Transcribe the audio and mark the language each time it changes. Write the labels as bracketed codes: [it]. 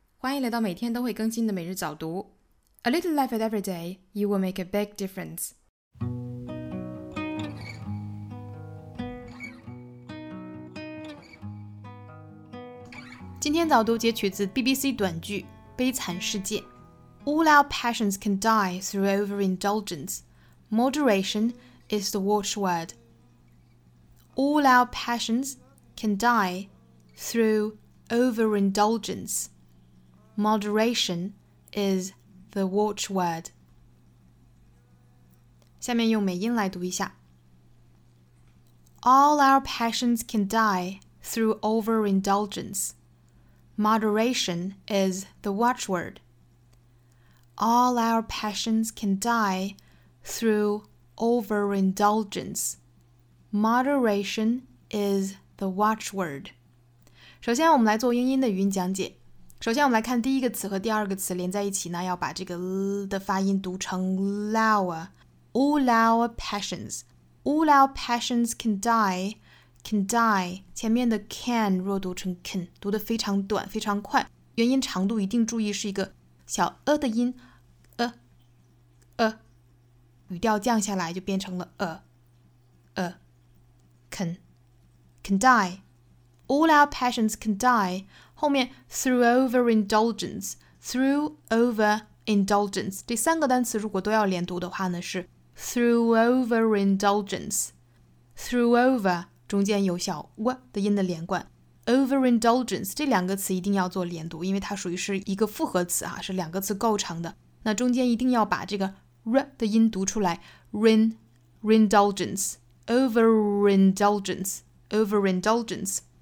[zh] 欢迎来到每天都会更新的每日早读。 [en] A little life at every day, you will make a big difference. [zh] 今天早读截取自 BBC 短剧《悲惨世界》。 [en] All our passions can die through overindulgence. Moderation is the watchword. All our passions can die throughOverindulgence. Moderation is the watchword. [zh] 下面用美音来读一下。 [en] All our passions can die through overindulgence. Moderation is the watchword. All our passions can die through overindulgence. Moderation is the watchword. [zh] 首先我们来做英音的语音讲解。首先我们来看第一个词和第二个词连在一起呢，要把这个 l 的发音读成 lower。 [en] All our passions. All our passions can die. Can die. [zh] 前面的 can 若读成 can， 读得非常短非常快，元音长度一定注意是一个小 a 的音， a a， 语调降下来就变成了 a can [en] can dieAll our passions can die. [zh] 后面 [en] through overindulgence. Through overindulgence. [zh] 第三个单词如果都要连读的话呢，是 [en] through overindulgence. Through over [zh] 中间有小 w 的音的连贯。 [en] Overindulgence [zh] 这两个词一定要做连读，因为它属于是一个复合词啊，是两个词构成的。那中间一定要把这个 r 的音读出来。 [en] Rindulgence. Overindulgence. Overindulgence.